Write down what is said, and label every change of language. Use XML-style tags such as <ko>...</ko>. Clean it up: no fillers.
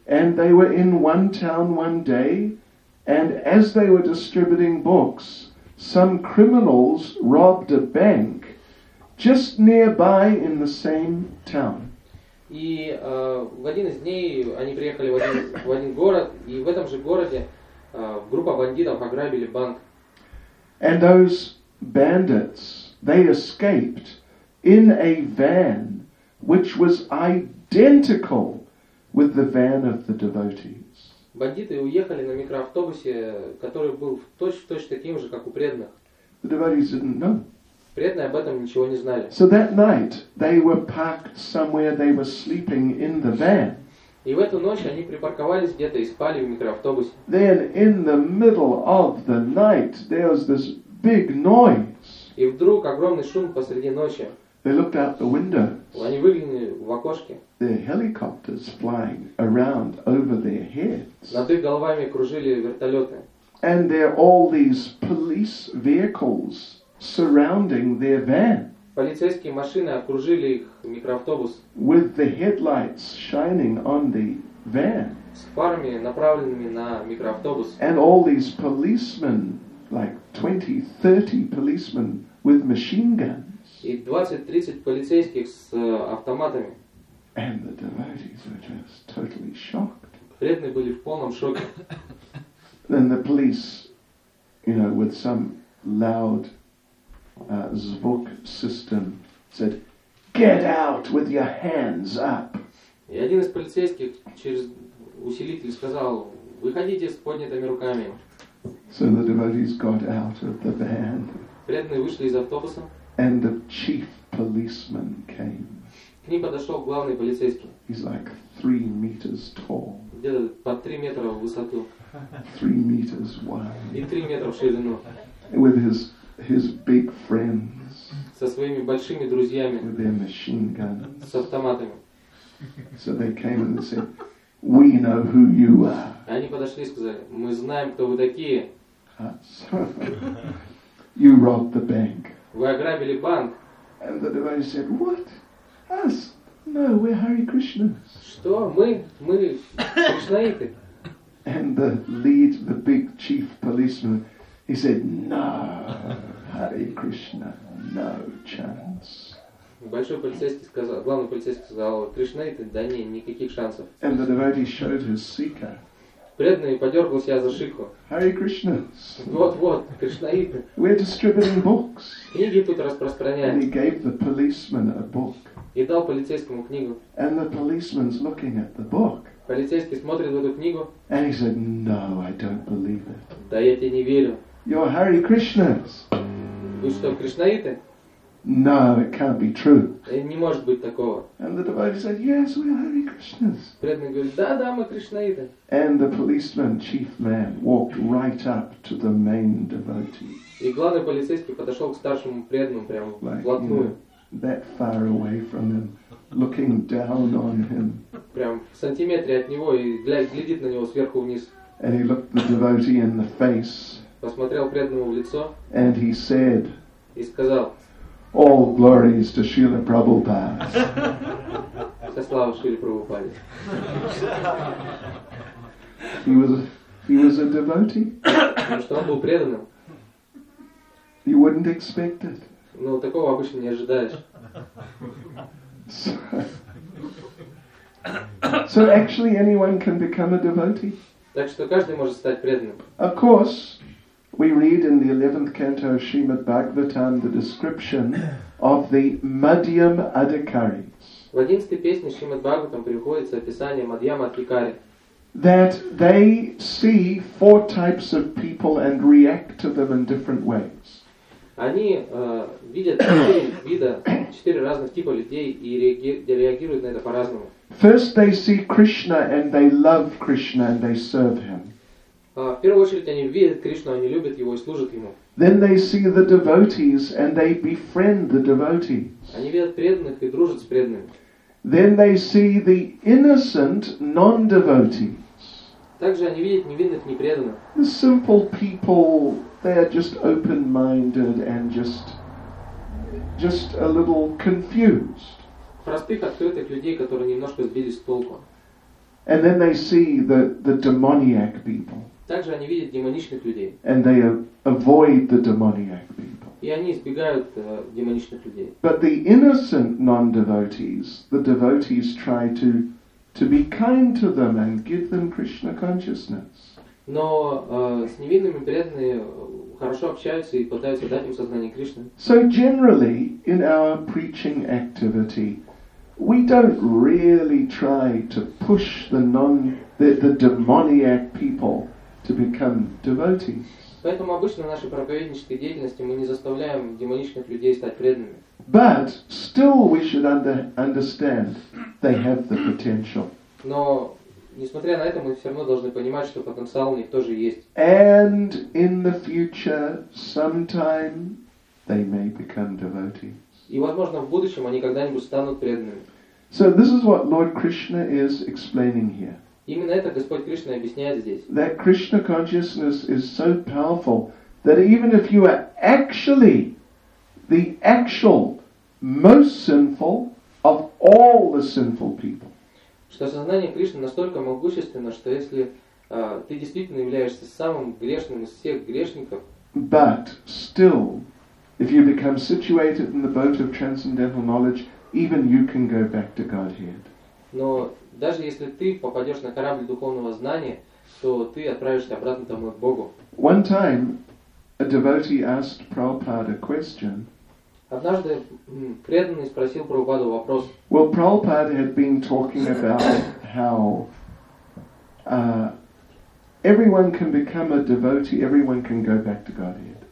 <en>And they were in one town one day, and as they were distributing books, some criminals robbed a bank just nearby in the same town.</en> <ru>И в один из дней они приехали в один город, и в этом же городе группа бандитов ограбили банк.</ru> <en>And those bandits, they escaped in a van which was identical with the van of the devotees.</en> <ru>Бандиты уехали на микроавтобусе, который был точь-в-точь таким же, как у преданных.</ru> <en>The devotees didn't know.</en> <ru>Преданные об этом ничего не знали.</ru> <en>So that night they were parked somewhere, they were sleeping in the van.</en> <ru>И в эту ночь они припарковались где-то и спали в микроавтобусе.</ru> <en>Then in the middle of the night there was this big noise.</en> <ru>И вдруг огромный шум посреди ночи.</ru> <en>They looked out the window.</en> <ru>Они выглянули в окошке.</ru> <en>Their helicopters flying around over their heads.</en> <ru>Над их головами кружили вертолеты.</ru> <en>And there are all these police vehicles surrounding their van.</en> <ru>Полицейские машины окружили их микроавтобус.</ru> <en>With the headlights shining on the van.</en> <ru>С фарами, направленными на микроавтобус.</ru> <en>And all these policemen, like 20-30 policemen with machine guns.</en> <ru>И 20-30 полицейских с автоматами.</ru> <en>And the devotees were just totally shocked.</en> <ru>Преданные были в полном шоке.</ru> <en>Then the police, you know, with some loud звук system said, "Get out with your hands up."</en> <ru>И один из полицейских через усилитель сказал: "Выходите с поднятыми руками."</ru> <en>So the devotees got out of the van.</en> <ru>Преданные вышли из автобуса.</ru> <en>And the chief policeman came.</en> <ru>К ним подошел главный полицейский.</ru> <en>He's like 3 meters tall.</en> <ru>Где-то по 3 метра в высоту.</ru> <en>3 meters wide.</en> <ru>И 3 метра в ширину.</ru> <en>With his big friends.</en> <ru>Со своими большими друзьями.</ru> <en>With their machine guns.</en> <ru>С автоматами.</ru> <en>So they came and they said, "We know who you are."</en> <ru>Они подошли и сказали: "Мы знаем, кто вы такие."</ru> <en>You robbed the bank.</en> <ru>Вы ограбили банк.</ru> <en>And the devotee said, "What? Us? No, we're Hare Krishnas."</en> <ru>Что? Мы Кришнаиты.</ru> <en>And the lead, the big chief policeman, he said, "No, Hare Krishna, no chance."</en> <ru>Большой полицейский сказал, главный полицейский сказал: "Кришнаиты, да нет, никаких шансов."</ru> <en>And the devotee showed his sikha.</en> <ru>Преданный подергал себя за шику.</ru> <en>Hare Krishnas.</en> <ru>Вот, Кришнаиты.</ru> <en>We're distributing books.</en> <ru>Книги тут распространяют.</ru> <en>And he gave the policeman a book.</en> <ru>И дал полицейскому книгу.</ru> <en>And the policeman's looking at the book.</en> <ru>Полицейский смотрит в эту книгу.</ru> <en>And he said, "No, I don't believe it."</en> <ru>Да я тебе не верю.</ru> <en>You're Hare Krishnas.</en> <ru>Вы что, Кришнаиты?</ru> <en>No, it can't be true.</en> <ru>Это не может быть такого.</ru> <en>And the devotee said, "Yes, we are Hare Krishnas."</en> <ru>Преданный говорит: да, мы Кришнаиты.</ru> <en>And the policeman, chief man, walked right up to the main devotee.</en> <ru>И главный полицейский подошел к старшему преданному прямо вплотную.</ru> <en>Like, that far away from him, looking down on him.</en> <ru>Прям в сантиметре от него и глядит на него сверху вниз.</ru> <en>And he looked the devotee in the face.</en> <ru>Посмотрел преданному в лицо.</ru> <en>And he said.</en> <ru>И сказал:</ru> <en>"All glories to Srila Prabhupada."</en> <ru>Слава Шриле Прабхупаде.</ru> <en>He was a devotee.</en> <ru>Ну что, он был преданным?</ru> <en>You wouldn't expect it.</en> <ru>Ну такого обычно не ожидаешь.</ru> <en>So actually anyone can become a devotee.</en> <ru>Так что каждый может стать преданным.</ru> <en>Of course. We read in the 11th canto of Srimad Bhagavatam the description of the Madhyam Adhikaris.</en> <ru>В 11th песне Srimad Bhagavatam приводится описание Madhyam Adhikari.</ru> <en>That they see 4 types of people and react to them in different ways.</en> <ru>Они видят 4 разных типа людей и реагируют на это по-разному.</ru> <en>First they see Krishna and they love Krishna and they serve him.</en> <ru>В первую очередь они видят Кришну, они любят его и служат ему.</ru> <en>Then they see the devotees and they befriend the devotees.</en> <ru>Они видят преданных и дружат с преданными.</ru> <en>Then they see the innocent non-devotees.</en> <ru>Также они видят невинных, непреданных.</ru> <en>The simple people, they are just open-minded and just a little confused.</en> <ru>Простых, открытых людей, которые немножко сбились с толку.</ru> <en>And then they see the demoniac people.</en> <ru>Также они видят демоничных людей.</ru> <en>And they avoid the demoniac people.</en> <ru>И они избегают демоничных людей.</ru> <en>But the innocent non-devotees, the devotees try to be kind to them and give them Krishna consciousness.</en> <ru>Но с невинными преданные хорошо общаются и пытаются дать им сознание Кришны.</ru> <en>So generally in our preaching activity, we don't really try to push the demoniac people to become devotees.</en> <ru>Поэтому обычно в нашей проповеднической деятельности мы не заставляем демоничных людей стать преданными.</ru> <en>But still we should understand they have the potential.</en> <ru>Но несмотря на это мы все равно должны понимать, что потенциал у них тоже есть.</ru> <en>And in the future sometime they may become devotees.</en> <ru>И, возможно, в будущем они когда-нибудь станут преданными.</ru> <en>So this is what Lord Krishna is explaining here.</en> <ru>Именно это Господь Кришна объясняет здесь.</ru> <en>That Krishna consciousness is so powerful that even if you are actually the actual most sinful of all the sinful people.</en> <ru>Что сознание Кришны настолько могущественно, что если ты действительно являешься самым грешным из всех грешников,</ru> <en>but still, if you become situated in the boat of transcendental knowledge, even you can go back to Godhead.</en> <ru>Но даже если ты попадешь на корабль духовного знания, то ты отправишься обратно домой к Богу.</ru> <en>One time, a devotee asked Prabhupada a question.</en> <ru>Однажды преданный спросил Прабхупаду вопрос.</ru> <en>Well, Prabhupada had been talking about how everyone can become a devotee, everyone can go back to Godhead.</en>